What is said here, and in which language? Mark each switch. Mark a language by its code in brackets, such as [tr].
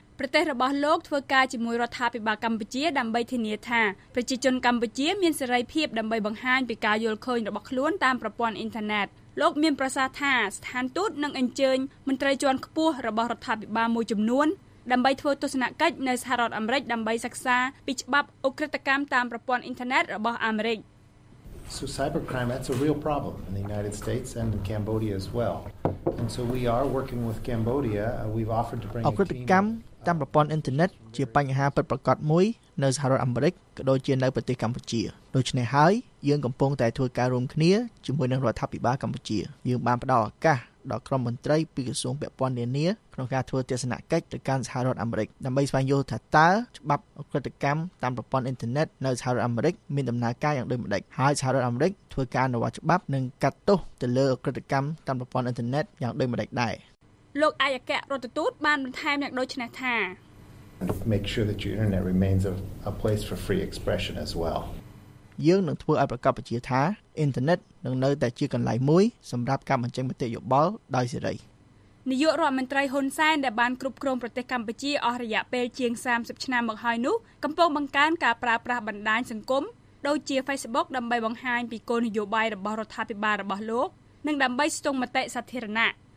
[km] ប្រទេសរបស់លោកធ្វើការជាមួយរដ្ឋាភិបាលកម្ពុជាដើម្បីធានាថាប្រជាជនកម្ពុជាមានសេរីភាពដើម្បីបង្ហាញពីការយល់ឃើញរបស់ខ្លួនតាមប្រព័ន្ធអ៊ីនធឺណិតលោកមានប្រសាសន៍ថាស្ថានទូតនឹងអញ្ជើញមន្ត្រីជាន់ខ្ពស់របស់រដ្ឋាភិបាលមួយចំនួនដើម្បីធ្វើទស្សនកិច្ចនៅសហរដ្ឋអាមេរិកដើម្បីសិក្សាពីច្បាប់អូក្រិតកម្មតាមប្រព័ន្ធអ៊ីនធឺណិតរបស់អាមេរិក [en] So cybercrime, that's a real problem in the United States and in Cambodia as well. And so we are working with Cambodia. We've offered to bring a team. [km] កម្មតាមប្រព័ន្ធអ៊ីនធឺណិតជាបញ្ហាពិតប្រាកដមួយនៅសហរដ្ឋអាមេរិកក៏ដូចជានៅប្រទេសកម្ពុជាដូច្នេះហើយយើងកំពុងតែធ្វើការរួមគ្នាជាមួយនឹងរដ្ឋាភិបាលកម្ពុជាយើងបានផ្តល់ឱកាសដល់ក្រុមមន្ត្រីពីក្រសួងពាក់ព័ន្ធនានាក្នុងការធ្វើទស្សនកិច្ចទៅកាន់សហរដ្ឋអាមេរិកដើម្បីស្វែងយល់ថាតើច្បាប់អក្រិតកម្មតាមប្រព័ន្ធអ៊ីនធឺណិតនៅសហរដ្ឋអាមេរិកមានដំណើរការយ៉ាងដូចម្តេចហើយសហរដ្ឋអាមេរិកធ្វើការអនុវត្តច្បាប់និងកាត់ទោសទៅលើអក្រិតកម្មតាមប្រព័ន្ធអ៊ីនធឺណិតយ៉ាងដូចម្តេចដែរ លោកអាយកៈរដ្ឋទូតបានបន្ថែមយ៉ាងដូចនេះថា [en] Make sure that your internet remains a place for free expression as well [km] យើងនឹងធ្វើឲ្យប្រកបជាថាអ៊ីនធឺណិតនឹងនៅតែជាកន្លែងមួយសម្រាប់ការបញ្ចេញមតិយោបល់ដោយសេរី នាយករដ្ឋមន្ត្រីហ៊ុនសែនដែលបានគ្រប់គ្រងប្រទេសកម្ពុជាអស់រយៈពេលជាង30ឆ្នាំមកហើយនោះកំពុងបង្កើនការប្រើប្រាស់បណ្ដាញសង្គមដូចជា Facebook ដើម្បីបង្ហាញពីគោលនយោបាយរបស់រដ្ឋាភិបាលរបស់លោកនិងដើម្បីស្ទង់មតិសាធារណៈ